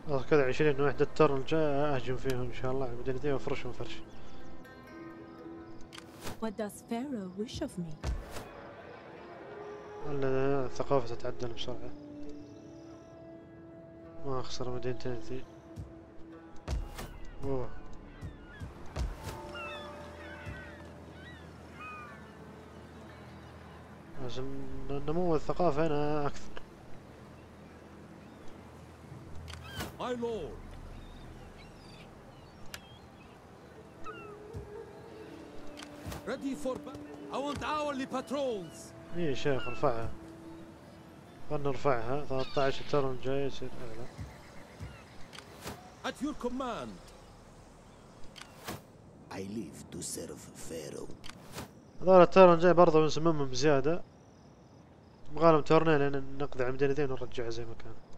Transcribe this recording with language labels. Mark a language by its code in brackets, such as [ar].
[ar] كذا 20 وحدة ترن الجاية اهجم فيهم ان شاء الله على المدينة دي وافرشهم فرش. [en] What does Pharaoh wish of me? [ar] الثقافة تتعدل بسرعة. ما اخسر مدينتين ذي. اوه لازم نمو الثقافة هنا اكثر. [en] My lord. Ready for battle. I want hourly patrols. [ar] إيه شيخ ارفعها. خلنا نرفعها 13 ترن جاي يصير أعلى. [en] At your command. I live to serve Pharaoh. [ar] هذول الترن جاي برضه بنسممهم زيادة. بغالهم ترنين لأن نقضي على المدينة ذي ونرجعها زي ما كان.